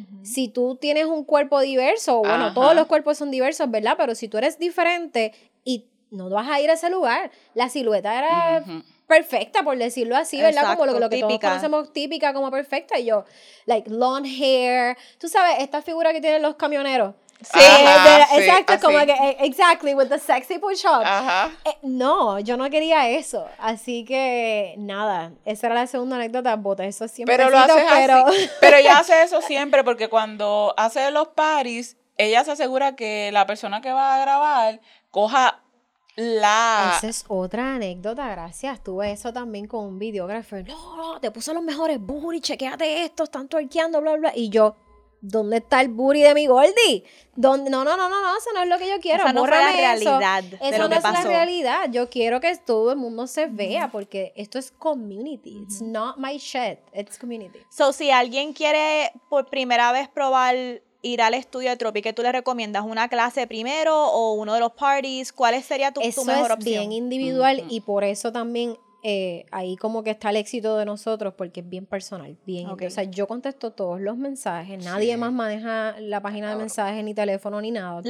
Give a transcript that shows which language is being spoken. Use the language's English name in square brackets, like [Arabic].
[Spanish] Si tú tienes un cuerpo diverso, bueno, todos los cuerpos son diversos, ¿verdad? Pero si tú eres diferente y no vas a ir a ese lugar, la silueta era perfecta, por decirlo así, ¿verdad? Exacto, como lo que todos conocemos, típica, como perfecta. Y yo, [English] like, long hair. [Spanish] ¿Tú sabes esta figura que tienen los camioneros? Sí. Exacto, así. Como que, [English] exactly, with the sexy push-up. [Spanish] No, yo no quería eso. Así que, nada, esa era la segunda anécdota. Bota eso siempre. Pero lo haces pero... así. Pero ella hace eso siempre, porque cuando hace los parties, ella se asegura que la persona que va a grabar coja... Esa es otra anécdota, gracias. Tuve eso también con un videógrafo. No, te puso los mejores booty, chequéate esto, están twerkeando, bla, bla. Y yo, ¿dónde está el booty de mi Goldie? ¿Dónde? No, no, no, no, no, eso no es lo que yo quiero. Esa no fue la realidad de lo que pasó. Eso no es la realidad. Yo quiero que todo el mundo se vea porque esto es community. Mm-hmm. [English] It's not my shit, it's community. [Spanish] So, si alguien quiere por primera vez probar ir al estudio de Tropic, ¿qué tú le recomiendas? ¿Una clase primero o uno de los parties? ¿Cuál sería tu mejor opción? Eso es bien individual, mm-hmm. y por eso también... ahí como que está el éxito de nosotros, porque es bien personal, bien, okay. O sea, yo contesto todos los mensajes, nadie sí. más maneja la página claro. de mensajes, ni teléfono, ni nada.